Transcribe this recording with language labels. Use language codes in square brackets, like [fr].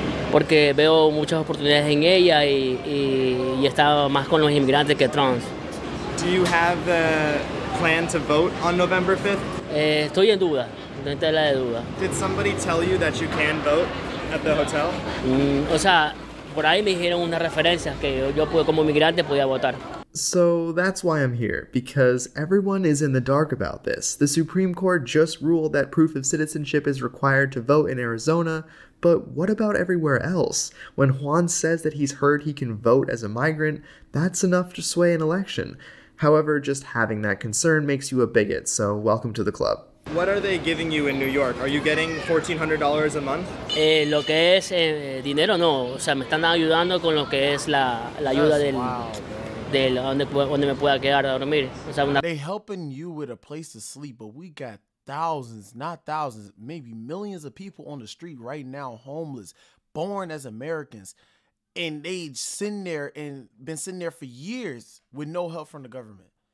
[es] Porque veo muchas oportunidades en ella y está más con los inmigrantes que Trump. [en] Do you have the plan to vote on November 5th? [es] Estoy en duda. [en] Did somebody tell you that you can vote at the hotel? [es] O sea, por ahí me dijeron unas referencias que yo como inmigrante podía votar. [en] So that's why I'm here, because everyone is in the dark about this. The Supreme Court just ruled that proof of citizenship is required to vote in Arizona, but what about everywhere else? When Juan says that he's heard he can vote as a migrant, that's enough to sway an election. However, just having that concern makes you a bigot, so welcome to the club. What are they giving you in New York? Are you getting $1,400 a month? [es] Lo que es dinero, no. O sea, me están ayudando con lo que es la ayuda del... [en] Wow. They helping you with a place to sleep, but we got thousands, not thousands, maybe millions of people on the street right now, homeless, born as Americans, and they sitting there and been sitting there for years with no help from the government.